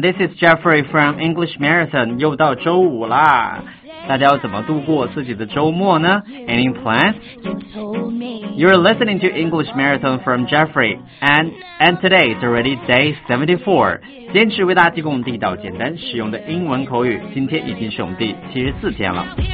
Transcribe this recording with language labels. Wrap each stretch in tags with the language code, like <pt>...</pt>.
<en>This is Jeffrey from English Marathon.</en> <zh>又到周五啦，大家要怎么度过自己的周末呢？</zh> <en>Any plans? You're listening to English Marathon from Jeffrey. And today is already day 74.</en> <zh>坚持为大家提供地道简单实用的英文口语。今天已经是我们第74天了。</zh>